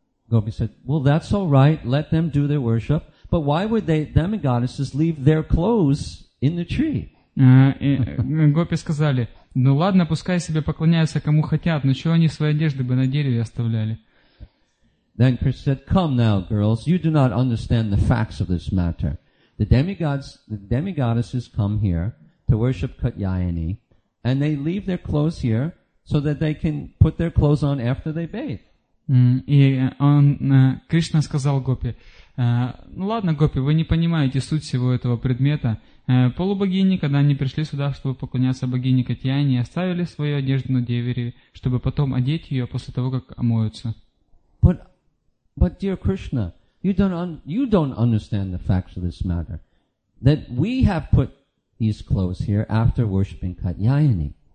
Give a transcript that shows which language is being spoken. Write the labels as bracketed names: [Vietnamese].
[English] Gopi said, well, that's all right, let them do their worship, but why would they, demigoddesses, leave their clothes in the tree? [Russian] Гопи сказали, ну ладно, пускай себе поклоняются кому хотят, но чего они свои одежды бы на дереве оставляли? [English] Then Krishna said, come now, girls, you do not understand the facts of this matter. The demigoddesses come here to worship Katyayani, and they leave their clothes here so that they can put their clothes on after they bathe. [Russian] И он, Кришна сказал Гопи, ну ладно, Гопи, вы не понимаете суть всего этого предмета. Полубогини, когда они пришли сюда, чтобы поклоняться богине Катьяйне, оставили свою одежду на дереве, чтобы потом одеть ее после того, как омоются. [English] But dear Krishna, you don't understand the facts of this matter, that we have put these clothes here after worshipping Katyayani.